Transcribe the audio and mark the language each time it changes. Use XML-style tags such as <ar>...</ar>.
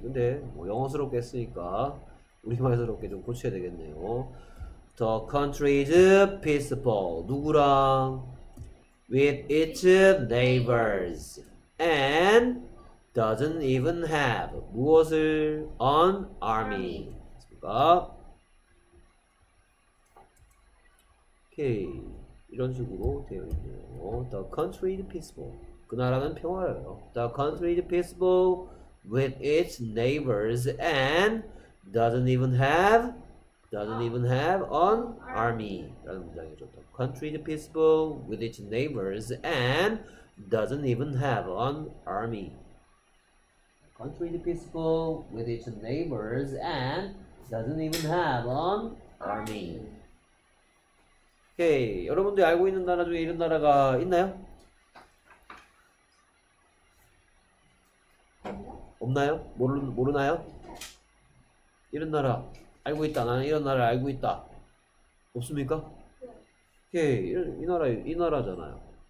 <ko>근데 뭐 영어스럽게 했으니까 우리말스럽게 좀 고쳐야 되겠네요.</ko> <en>The country is peaceful.</en> <ko>누구랑?</ko> <en>With its neighbors and doesn't even have</en> <ko>무엇을?</ko> <en>An army.</en> <ko>됐습니까? 오케이. 이런 식으로 되어 있네요.</ko> <en>The country is peaceful.</en> <ko>그 나라는 평화로워요.</ko> <en>The country is peaceful with its neighbors and doesn't even have an army.</en> <ko>라는 문장이죠.</ko> <en>The country is peaceful with its neighbors and doesn't even have an army. Country is peaceful with its neighbors and doesn't even have an army.</en> <ko>오케이. 여러분들이 알고 있는 나라 중에 이런 나라가 있나요? 없나요? 모르나요? 이런 나라 알고 있다. 나는 이런 나라를 알고 있다. 없습니까? 오케이. 이 나라잖아요.</ko>